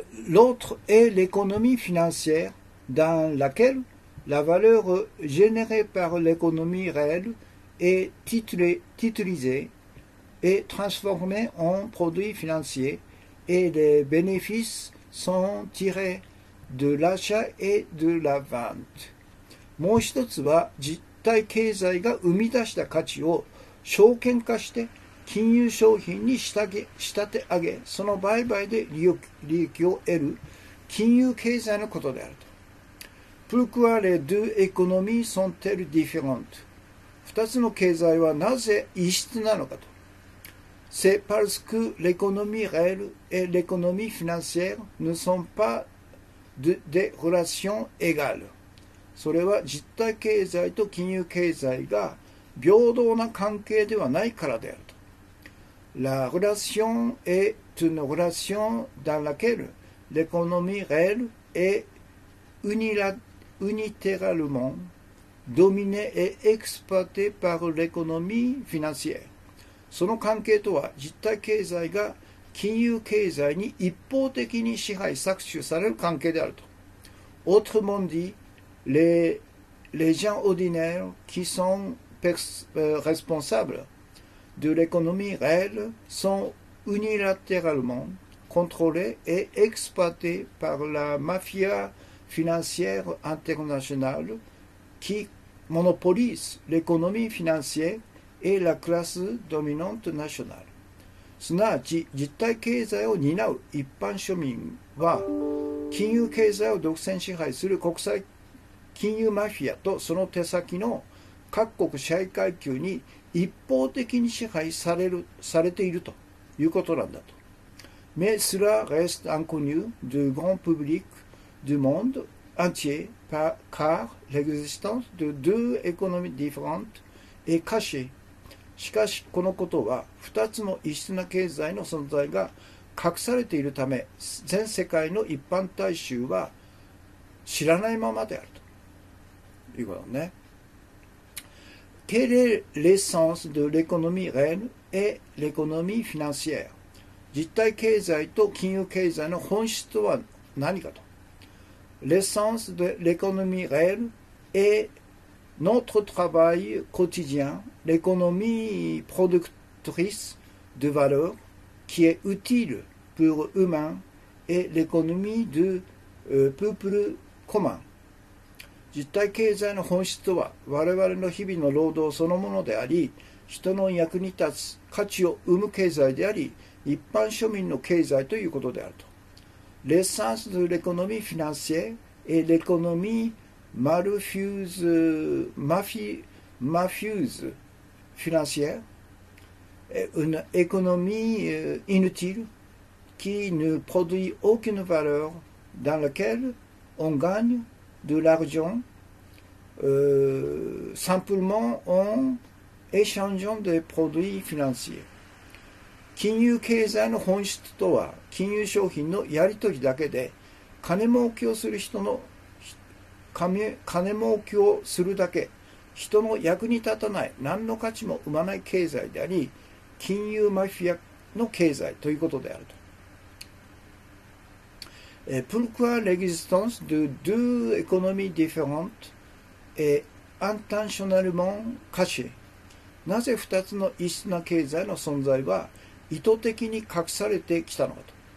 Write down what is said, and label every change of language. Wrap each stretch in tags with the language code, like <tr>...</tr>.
<fr>L'autre est l'économie financière dans laquelle la valeur générée par l'économie réelle est titrisée et transformée en produits financiers et les bénéfices sont tirés de l'achat et de la vente.</fr> <ja>もう一つは実体経済が生み出した価値を証券化して金融商品に仕立て上げ、その売買で利益を得る金融経済のことであると。</ja> <fr>Pourquoi les deux économies sont-elles différentes?</fr> <ja>二つの経済はなぜ異質なのかと。</ja> <fr>C'est parce que l'économie réelle et l'économie financière ne sont pas des relations égales.</fr> <ja>それは実体経済と金融経済が平等な関係ではないからであると。</ja> <fr>La relation est une relation dans laquelle l'économie réelle est unilatéralement dominée et exploitée par l'économie financière.</fr> <ja>その関係とは、実体経済が金融経済に一方的に支配、搾取される関係であると。</ja> <fr>Autrement dit, les gens ordinaires qui sont responsablesde l'économie réelle sont unilatéralement contrôlés et exploités par la mafia financière internationale qui monopolise l'économie financière et la classe dominante nationale.</fr> <ja>すなわち、実体経済を担う一般庶民は、金融経済を独占支配する国際金融マフィアとその手先の各国支配階級に一方的に支配されているということなんだと。</ja> <fr>Mais cela reste inconnu du grand public du monde entier car l'existence de deux économies différentes est cachée.</fr> <ja>しかし、このことは二つの異質な経済の存在が隠されているため、全世界の一般大衆は知らないままであるということね。</ja> <fr>Quelle est l'essence de l'économie réelle et l'économie financière?</fr> <ja>実体経済と金融経済の本質とは何かと。</ja> <fr>L'essence de l'économie réelle est notre travail quotidien, l'économie productrice de valeur qui est utile pour humain et l'économie de peuple commun.</fr> <ja>実体経済の本質とは我々の日々の労働そのものであり、人の役に立つ価値を生む経済であり、一般庶民の経済ということであると。</ja> <fr>L'essence de l'économie financière est l'économie mafieuse financière, une économie inutile qui ne produit aucune valeur dans laquelle on gagne de l'argentsimplement en échangeant des produits financiers.</fr> <ja>金融経済の本質とは、金融商品のやり取りだけで、金儲けをするだけ、人の役に立たない、何の価値も生まない経済であり、金融マフィアの経済ということであると。</ja> <fr>Pourquoi l'existence de deux économies différentesEt intentionnellement caché.</fr> <ja>なぜ二つの異質な経済の存在は意図的に隠されてきたのかと。</ja>